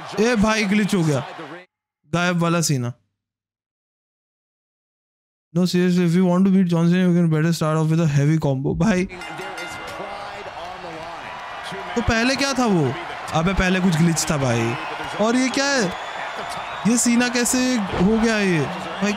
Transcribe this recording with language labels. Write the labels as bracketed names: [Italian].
[Hindi] ए भाई ग्लिच हो गया, गायब वाला सीना. [English] No seriously, if you want to beat John Cena, you can better start off with a heavy combo. [Hindi] भाई तो पहले क्या था वो? अबे पहले कुछ ग्लिच था भाई. और ये क्या है, ये सीना कैसे हो गया ये भाई?